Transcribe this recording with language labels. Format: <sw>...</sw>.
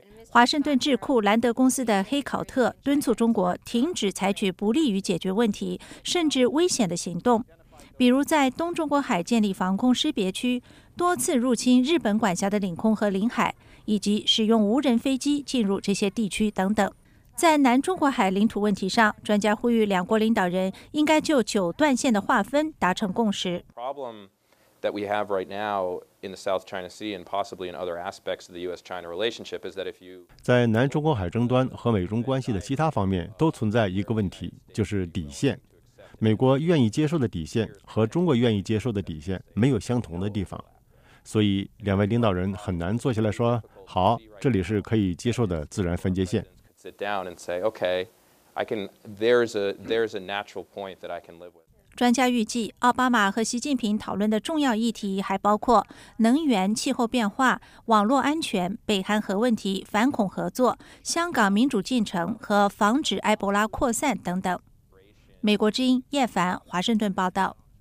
<zh>华盛顿智库兰德公司的黑考特敦促中国停止采取不利于解决问题甚至危险的行动，比如在东中国海建立防空识别区，多次入侵日本管辖的领空和领海，以及使用无人飞机进入这些地区等等。在南中国海领土问题上，专家呼吁两国领导人应该就九段线的划分达成共识。</zh> <en>That we have right now in the South China Sea and possibly in other aspects of the U.S.-China relationship is that if you</en> <zh>在南中国海争端和美中关系的其他方面都存在一个问题，就是底线。美国愿意接受的底线和中国愿意接受的底线没有相同的地方，所以两位领导人很难坐下来说：“好，这里是可以接受的自然分界线。”</zh> <en>Sit down and say, "Okay, I can. There's a natural point that I can live with."</en> <zh>专家预计，奥巴马和习近平讨论的重要议题还包括能源、气候变化、网络安全、北韩核问题、反恐合作、香港民主进程和防止埃博拉扩散等等。美国之音叶凡，华盛顿报道。</zh>